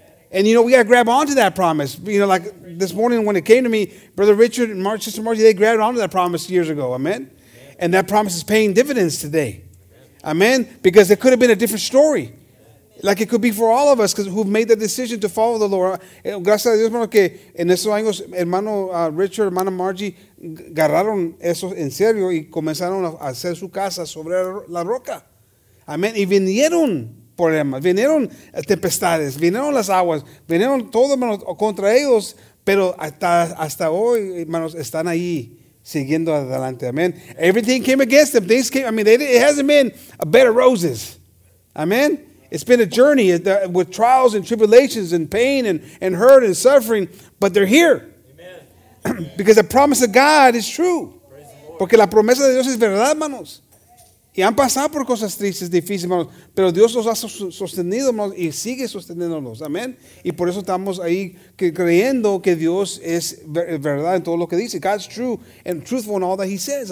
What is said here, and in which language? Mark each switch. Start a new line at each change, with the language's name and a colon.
English: And, you know, we got to grab onto that promise. You know, like this morning when it came to me, Brother Richard and Sister Marcy, they grabbed onto that promise years ago. Amen. And that promise is paying dividends today. Amen. Because it could have been a different story. Like it could be for all of us because who've made the decision to follow the Lord.
Spanish: Gracias a Dios, hermano, que en esos años, hermano Richard, hermana Margie, agarraron eso en serio y comenzaron a hacer su casa sobre la roca. Amén. Y vinieron problemas, vinieron tempestades, vinieron las aguas, vinieron todo, hermano, contra ellos. Pero hasta hoy, hermanos, están ahí, siguiendo adelante.
English: Amén. Everything came against them. Things came, I mean, it hasn't been a bed of roses. Amén. It's been a journey with trials and tribulations and pain and hurt and suffering, but they're here. Amen. Because the promise of God is true.
Spanish: Porque la promesa de Dios es verdad, hermanos. Y han pasado por cosas tristes, difíciles, hermanos. Pero Dios los ha sostenido, hermanos, y sigue sosteniéndolos. Amén. Y por eso estamos ahí creyendo que Dios es verdad en todo lo que dice.
English: God's true and truthful in all that he says.